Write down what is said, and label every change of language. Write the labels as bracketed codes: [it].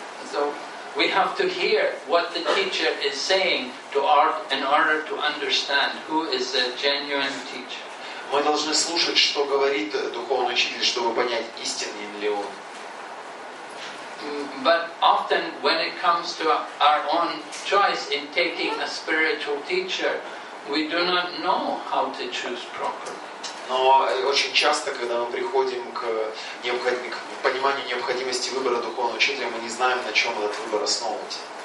[en] So we have to hear what the teacher is saying to our, in order to understand who is a genuine teacher. [ru] Мы должны слушать, что говорит духовный учитель, чтобы понять, истинный ли он. [en] But often, when it comes to our own choice in taking a spiritual teacher, we do not know how to choose properly. [ru] Но очень часто, когда мы приходим к пониманию необходимости выбора духовного учителя, мы не знаем, на чем этот выбор основывать.